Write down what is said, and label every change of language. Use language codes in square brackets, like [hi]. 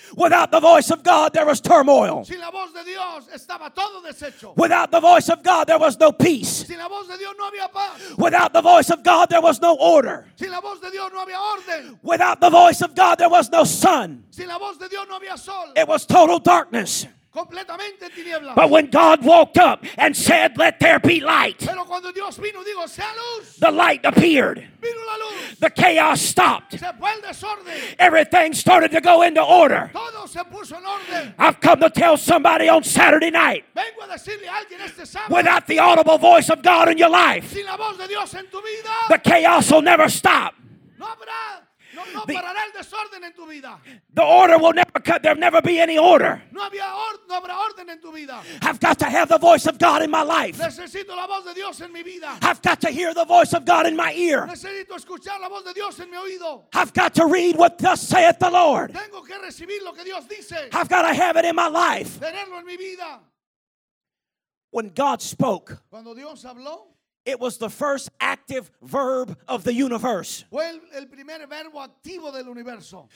[en] Without the voice of God, there was turmoil. [es] Sin la voz de Dios, estaba todo deshecho. [en] Without the voice of God, there was no peace. [es] Sin la voz de Dios, no había paz. [en] Without the voice of God, there was no order. [es] Sin la voz de Dios, no había orden. [en] Without the voice of God, there was no sun. [es] Sin la voz de Dios, no había sol. [en] It was total darkness. [es] Completamente tinieblas. [en] But when God woke up and said, let there be light, [es] pero cuando Dios vino, digo, sea luz, [en] the light appeared. [es] Vino la luz. [en] The chaos stopped. [es] Se fue el desorden. [en] Everything started to go into order. [es] Todo se puso en orden. [en] I've come to tell somebody on Saturday night, [es] vengo a decirle a alguien este sábado, [en] without the audible voice of God in your life, [es] sin la voz de Dios en tu vida, [en] the chaos will never stop. [es] No habrá. No parará el desorden en tu vida. [en] The order will never cut. There'll never be any order. [es] No había orden, no habrá orden en tu vida. [en] I've got to have the voice of God in my life. [es] Necesito la voz de Dios en mi vida. [en] I've got to hear the voice of God in my ear. [es] Necesito escuchar la voz de Dios en mi oído. [en] I've got to read what thus saith the Lord. [es] Tengo que recibir lo que Dios dice. [en] I've got to have it in my life. [es] Tenerlo en mi vida. [en] When God spoke, [es] cuando Dios habló, [en] It was the first active verb of the universe. [es] Fue el primer verbo activo del universo.